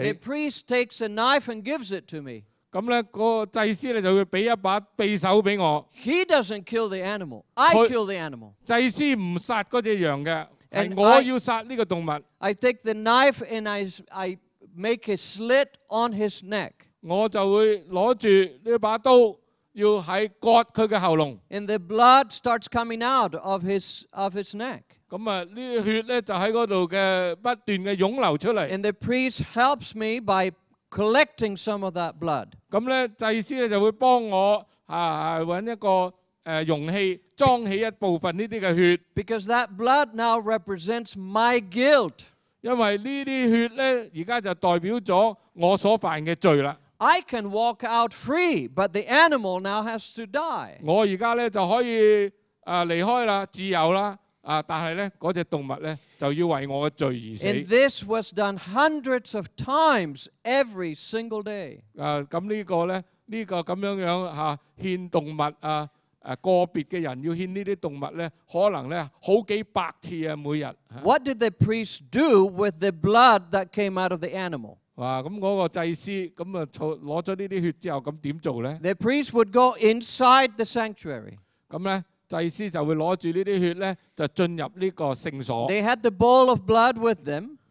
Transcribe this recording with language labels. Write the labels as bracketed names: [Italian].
[English] The priest takes a knife and gives it to me. [Cantonese] 咁咧，个祭司咧就会俾一把匕首俾我。 [English] He doesn't kill the animal. I kill the animal. [Cantonese] 祭司唔杀嗰只羊嘅，系我要杀呢个动物。 [English] I take the knife and I make a slit on his neck. [Cantonese] 我就会攞住呢把刀。要喺割佢嘅喉咙 [English] ，and the blood starts coming out of his neck。 [Cantonese] 咁啊，呢啲血咧就喺嗰度嘅不断嘅涌流出嚟。 [English] And the priest helps me by collecting some of that blood。 [Cantonese] 咁咧，祭司咧就会帮我揾一个容器装起一部分呢啲嘅血。 [English] Because that blood now represents my guilt。 [Cantonese] 因为呢啲血咧，而家就代表咗我所犯嘅罪啦。 [English] I can walk out free, but the animal now has to die. [Cantonese] 我而家咧就可以离开啦，自由啦，但系咧嗰只动物咧就要为我嘅罪而死。 [English] And this was done hundreds of times every single day. [Cantonese] 咁呢个咧，呢个咁样样吓献动物个别嘅人要献呢啲动物咧，可能咧好几百次啊，每日。 [English] What did the priest do with the blood that came out of the animal? [Cantonese] 哇！咁嗰個祭司咁啊，攞咗呢啲血之後，咁點做咧 [English] ？The priest would go inside the sanctuary。 [Cantonese] 咁咧，祭司就會攞住呢啲血咧，就進入呢個聖所。 [English] They had the bowl of blood with them。